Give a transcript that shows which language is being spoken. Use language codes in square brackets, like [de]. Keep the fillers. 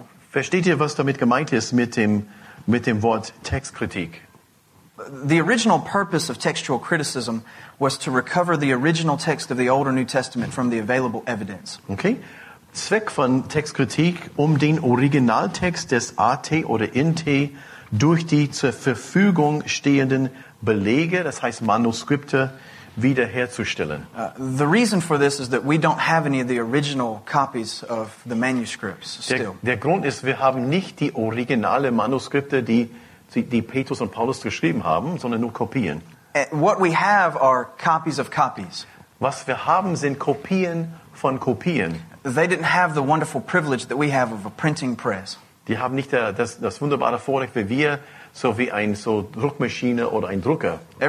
[de] Versteht ihr, was damit gemeint ist mit dem mit dem Wort Textkritik? [en] The original purpose of textual criticism was to recover the original text of the Old or New Testament from the available evidence. [de] Okay. Zweck von Textkritik, um den Originaltext des AT oder NT durch die zur Verfügung stehenden Belege, das heißt Manuskripte, [en] Uh, the reason for this is that we don't have any of the original copies of the manuscripts still. [de] Der, der Grund ist, wir haben nicht die originale Manuskripte, die die Petrus und Paulus geschrieben haben, sondern nur Kopien. [en] Uh, what we have are copies of copies. [de] Was wir haben sind Kopien von Kopien. [en] They didn't have the wonderful privilege that we have of a printing press. [de] Die haben nicht das, das wunderbare Vorrecht, wie wir so wie ein so Druckmaschine oder ein Drucker.